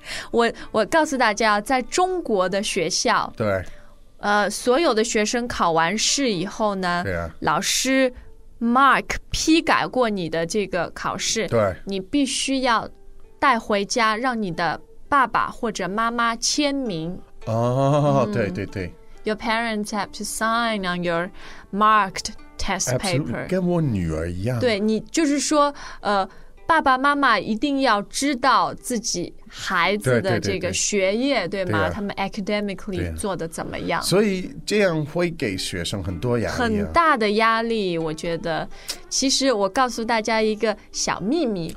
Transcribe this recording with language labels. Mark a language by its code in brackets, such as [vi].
[zh] 我告诉大家，在中国的学校，对，所有的学生考完试以后呢，对啊，老师 mark 批改过你的这个考试，对，你必须要带回家让你的爸爸或者妈妈签名。哦，对对对。 [en] Your parents have to sign on your marked test paper. Absolutely, [zh] 跟我女儿一样。对，你就是说，爸爸妈妈一定要知道自己孩子的这个学业，对，对， 对吗对、啊？他们 [en] academically、 [zh] 啊、做的怎么样？所以这样会给学生很多压力、啊，很大的压力。我觉得，其实我告诉大家一个小秘密，